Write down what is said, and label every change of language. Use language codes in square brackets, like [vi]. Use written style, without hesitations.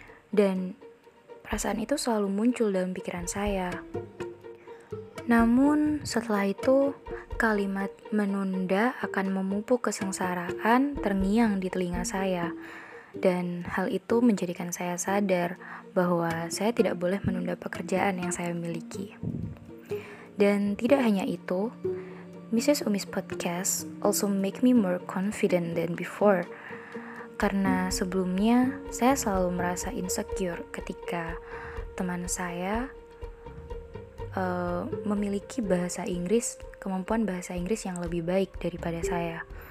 [id] Dan perasaan itu selalu muncul dalam pikiran saya. Namun setelah itu, kalimat menunda akan memupuk kesengsaraan terngiang di telinga saya. Dan hal itu menjadikan saya sadar bahwa saya tidak boleh menunda pekerjaan yang saya miliki. Dan tidak hanya itu, Mrs. [en] Umi's podcast also make me more confident than before. [id] Karena sebelumnya saya selalu merasa insecure ketika teman saya memiliki bahasa Inggris, kemampuan bahasa Inggris yang lebih baik daripada saya.